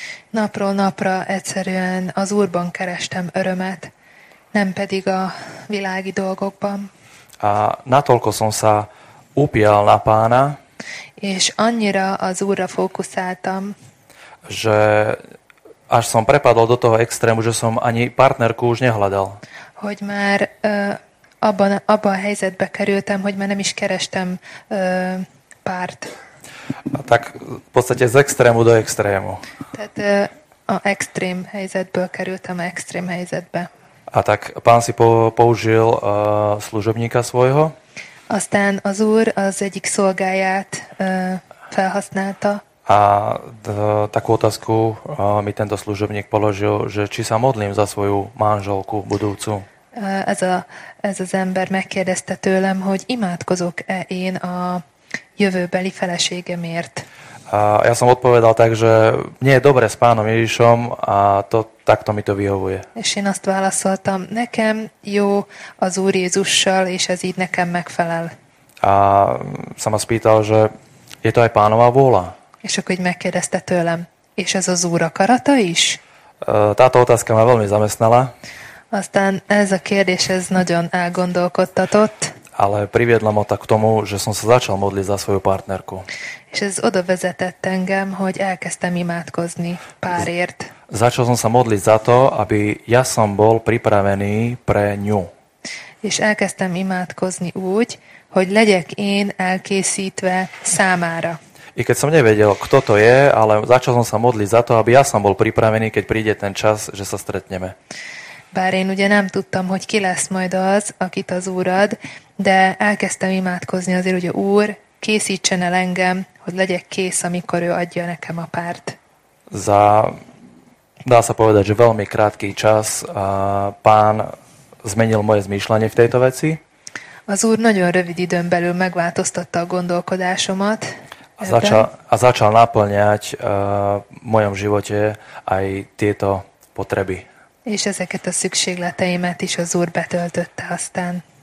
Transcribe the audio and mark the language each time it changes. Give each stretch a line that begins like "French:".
Hungarian: Napról napra egyszerűen az úrban kerestem örömet, nem pedig a világi dolgokban.
Slovak: A natoľko som sa upial na pána,
Hungarian: és annyira az úrra fókuszáltam,
Slovak: že až som prepadol do toho extrému, že som ani partnerku už nehľadal.
Hungarian: Hogy már abban a helyzetbe kerültem, hogy már nem is kerestem párt.
Slovak: A tak v podstate z extrému do extrému.
Hungarian: Tehát a extrém helyzetből kerültem a extrém helyzetbe.
Slovak: A tak pán si použil služobníka svojho?
Hungarian: Aztán az úr az egyik szolgáját felhasználta.
Slovak: A takú otázku mi tento služobník položil, že či sa modlím za svoju manželku budúcu.
Hungarian: Ez az ember megkérdezte tőlem, hogy imádkozok-e én a jövőbeli feleségemért.
Slovak: Ja som odpovedal tak, že mne je dobre s pánom Ježišom a to, takto mi to vyhovuje.
Hungarian: És én azt válaszoltam, nekem jó az Úr Jézussal, és ez így nekem megfelel.
Slovak: A sa ma spýtal, že je to aj pánová vôľa.
Hungarian: És akkor így megkérdezte tőlem, és ez az Úr akarata is?
Slovak: Táto otázka ma veľmi zamestnala.
Hungarian: Aztán ez a kérdés, ez nagyon elgondolkodtatott.
Slovak: Ale priviedla ma tak k tomu, že som sa začal modliť za svoju partnerku.
Hungarian: És ez oda vezetett engem, hogy elkezdtem imádkozni párért.
Slovak: Začal som sa modliť za to, aby ja som bol pripravený pre ňu.
Hungarian: És elkezdtem imádkozni úgy, hogy legyek én elkészítve számára.
Slovak: I keď som nevedel, kto to je, ale začal som sa modliť za to, aby ja som bol pripravený, keď príde ten čas, že sa stretneme.
Hungarian: Bár én ugye nem tudtam, hogy ki lesz majd az, akit az Úr ad, de elkezdtem imádkozni azért, hogy a Úr készítsen el engem, hogy legyek kész, amikor ő adja nekem a párt.
Slovak: Za, dá sa povedať, že veľmi krátky čas pán zmenil moje zmýšľanie v tejto veci.
Hungarian: Az Úr nagyon rövid időn belül megváltoztatta a gondolkodásomat.
Slovak: A začal naplňať v mojom živote aj tieto potreby.
Hungarian: És ezeket a szükségleteimet is az Úr betöltötte aztán.